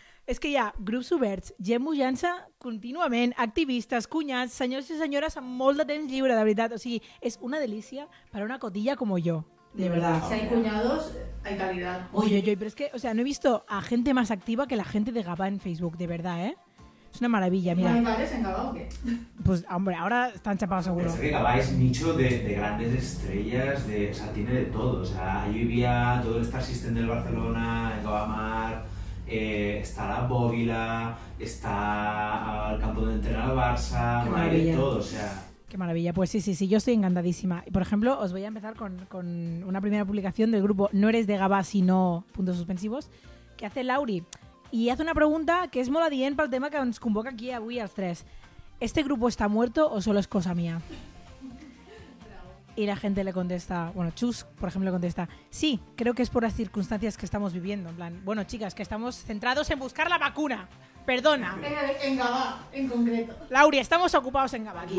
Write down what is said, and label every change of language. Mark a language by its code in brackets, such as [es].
[ca] És que hi ha grups oberts, gent mullant-se contínuament, activistes, cunyats, senyors i senyores amb molt de temps lliure, de veritat. O sigui, és una delícia per a una cotilla com jo. [es] De verdad. Si hay cuñados, hay calidad. Oye, oye, pero es que, o sea, no he visto a gente más activa que la gente de Gavà en Facebook, de verdad, ¿eh? Es una maravilla, mira. ¿No hay bares en Gavà o qué? Pues, hombre, ahora están chapados seguro. Es que Gavà es nicho de grandes estrellas, de, o sea, tiene de todo. O sea, ahí vivía todo el Star System del Barcelona, en Gavà Mar, está la Bóvila, está el campo de entrenar al Barça, de todo, o sea... Qué maravilla, pues sí, sí, sí, yo estoy encantadísima. Por ejemplo, os voy a empezar con una primera publicación del grupo No eres de Gavà, sino puntos suspensivos, que hace Lauri. Y hace una pregunta que es [ca] molt adient pel tema que ens convoca aquí avui als tres. [es] ¿Este grupo está muerto o solo es cosa mía? Y la gente le contesta, bueno, Chus, por ejemplo, le contesta, sí, creo que es por las circunstancias que estamos viviendo. En plan, bueno, chicas, que estamos centrados en buscar la vacuna. Perdona. En Gavà, en concreto. Lauri, estamos ocupados en Gavà aquí.